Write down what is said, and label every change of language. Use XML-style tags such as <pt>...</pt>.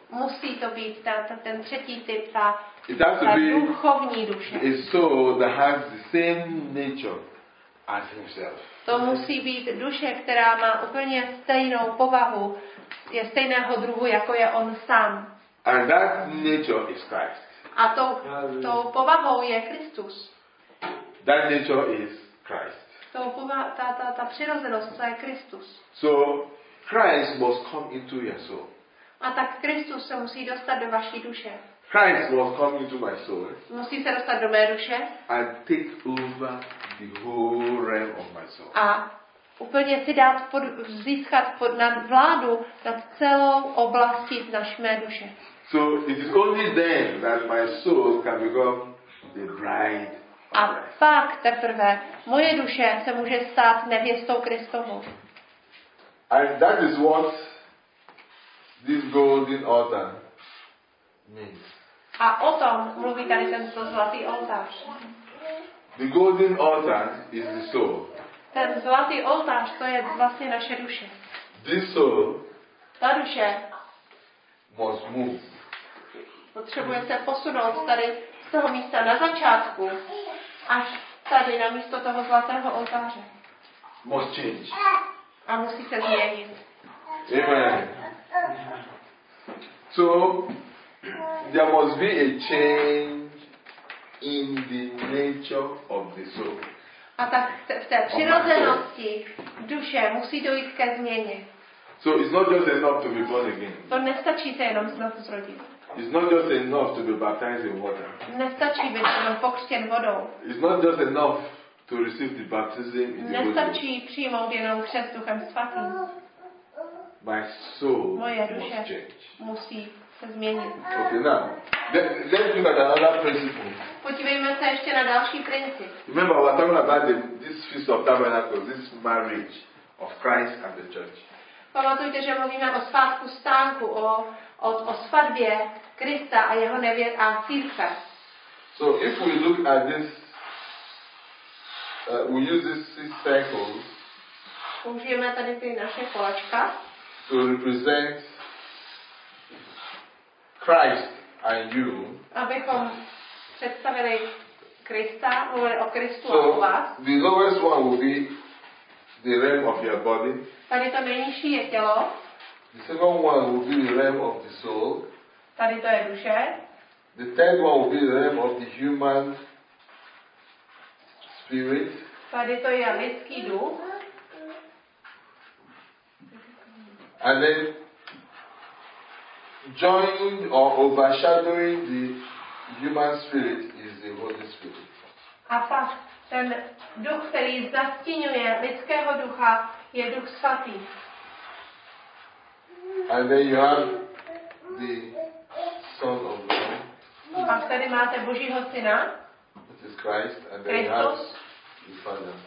<cs>Musí to být ten třetí typ, ta duchovní duše.</cs> <en>It has to be a soul that has the same nature as himself.</en> <cs>To musí být duše, která má úplně stejnou povahu, je stejného druhu, jako je on sám.</cs> <en>And that nature is Christ.</en> <cs>A tou povahou je Kristus.</cs> <en>That nature is Christ.</en> <cs>Ta přirozenost, to je Kristus.</cs> <en>So Christ must come into your soul.</en> <cs>A tak Kristus se musí dostat do vaší duše.</cs> <en>Christ must come into my soul.</en> <cs>Musí se dostat do mé duše.</cs> <en>And take over the whole realm of my soul.</en> <cs>A úplně si dát získat pod nad vládu nad celou oblastí naší mé duše.</cs> <en>So it is only then that my soul can become the bride.</en> <cs>A pak teprve moje duše se může stát nevěstou Kristovou.</cs> <en>And that is what this golden altar means.</en> <cs>A o tom mluví tady tento zlatý oltář.</cs> <en>The golden altar is the soul.</en> <cs>Ten zlatý oltář, to je vlastně naše duše.</cs> <en>This soul.</en> <cs>Ta duše.</cs> <en>Must move.</en> <cs>Potřebuje se posunout tady z toho místa na začátku až tady na místo toho zlatého oltáře.</cs> <en>Must change.</en> <cs>A musí se změnit.</cs> <en>Amen. So there must be a change in the nature of the soul.</en> <cs>A tak v té přirozenosti duše musí dojít ke změně.</cs> <en>So it's not just enough to be born again.</en> <cs>To nestačí se jenom znovu zrodit.</cs> <en>It's not just enough to be baptized in water.</en> <cs>Nestačí být jenom pokřtěn vodou.</cs> <en>It's not just enough to receive the baptism in the Holy Spirit.</en> <cs>Nestačí přijmout jenom křest Duchem Svatým.</cs> <en>My soul</en> <cs>moje duše musí se změnit.</cs> <en>Okay, now, let's look at another principle.</en> <cs>Podívejme se ještě na další princip.</cs> <en>Remember, we're talking about this Feast of Tabernacles, this marriage of Christ and the Church.</en> <cs>Pamatujte, že mluvíme o svátku stánku, o svatbě Krista a jeho nevěst a církve.</cs> <en>So if we look at this, we use these circles.</en> <cs>Použijeme tady ty naše kolečka.</cs> <en>To represent Christ and you.</en> <cs>Abychom představili Krista, mluvili o Kristu</cs> <en>so</en> <cs>a o vás.</cs> <en>The lowest one will be the realm of your body.</en> <cs>Tady to nejnižší je tělo.</cs> <en>The second one will be the realm of the soul.</en> <cs>Tady to je duše.</cs> <en>The third one will be the realm of the human spirit.</en> <cs>Tady to je lidský duch.</cs> <en>And then joining or overshadowing the human spirit is the Holy Spirit.</en> <cs>A pak ten duch, který zastínuje lidského ducha, je Duch svatý.</cs> <en>And then you have the Son of God.</en> <cs>A pak tady máte Božího syna.</cs> <en>It is Christ, and then you have the Father.</en>